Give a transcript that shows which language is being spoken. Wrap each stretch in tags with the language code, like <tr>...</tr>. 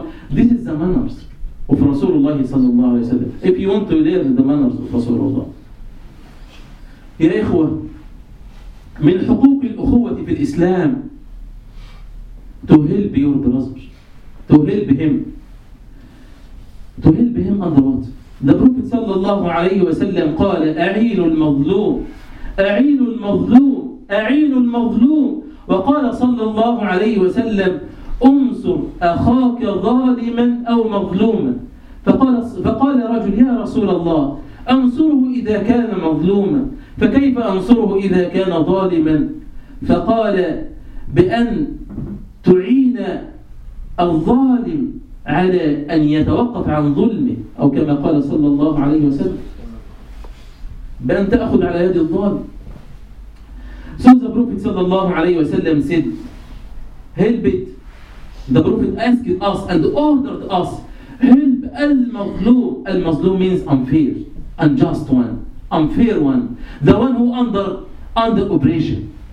<en>This is the manners of Rasulullah</en> <ar>صلى الله عليه وسلم.</ar> <en>If you want to learn the manners of Rasulullah.</en> <ar>يا إخوة، من حقوق الأخوة في الإسلام</ar> <en>to help your brother, to help him. To help him and what? The Prophet</en> <ar>صلى الله عليه وسلم قال أعين المظلوم أعين المظلوم أعين المظلوم. وقال صلى الله عليه وسلم أنصر أخاك ظالما أو مظلوما. فقال رجل يا رسول الله أنصره إذا كان مظلوما فكيف أنصره إذا كان ظالما؟ فقال بأن تعين الظالم على أن يتوقف عن ظلمه، أو كما قال صلى الله عليه وسلم بأن تأخذ على يد الظالم.</ar> <en>So the Prophet</en> <ar>صلى الله عليه وسلم</ar> <en>said help it. The Prophet asked us and ordered us help المظلوم. المظلوم means unfair, unjust one, unfair one, the one who under oppression.</en>